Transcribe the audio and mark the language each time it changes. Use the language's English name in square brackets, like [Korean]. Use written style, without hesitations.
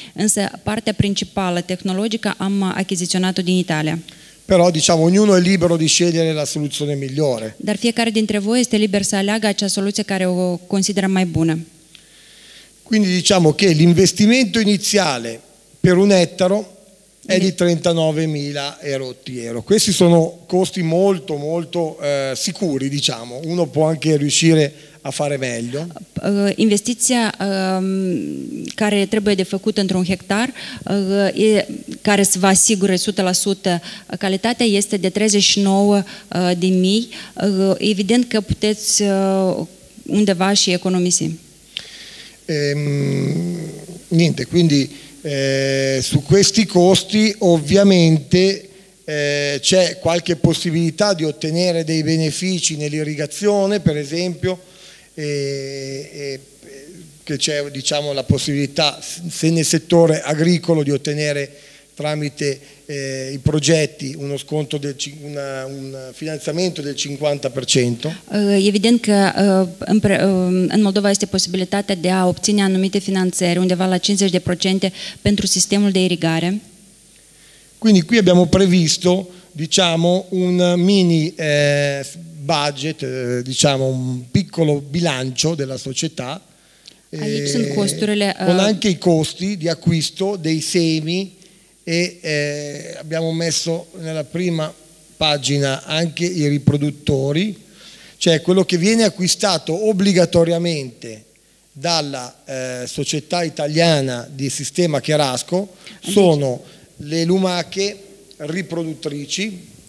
[Romanian] Însă partea principală tehnologică am achiziționat-o din Italia. [Italian] Però diciamo ognuno è libero di scegliere la soluzione migliore. [Romanian] Dar fiecare dintre voi este liber să aleagă acea soluție care o consideră mai bună. [Italian] Quindi diciamo che l'investimento iniziale per un ettaro è di 39.000 euro. Questi sono costi molto, molto sicuri, diciamo. Uno può anche riuscire a fare meglio. [Romanian] Investiția care trebuie de făcut într-un hectar, care se va asigure 100% calitatea, este de 39.000. Evident că puteți undeva și economisi. [Italian] Niente, quindi su questi costi ovviamente c'è qualche possibilità di ottenere dei benefici nell'irrigazione, per esempio che c'è diciamo la possibilità se nel settore agricolo di ottenere tramite i progetti uno sconto un finanziamento del 50%. [Romanian] Evident că în Moldova este posibilitatea de a obține anumite finanțări undeva la 50% pentru sistemul de irigare. [Italian] Quindi qui abbiamo previsto, diciamo, un mini budget, diciamo un piccolo bilancio della società. [Romanian] Aici sunt costurile [Italian] con anche i costi di acquisto dei semi e abbiamo messo nella prima pagina anche i riproduttori, cioè quello che viene acquistato obbligatoriamente dalla società italiana di sistema Cherasco sono le lumache riproduttrici.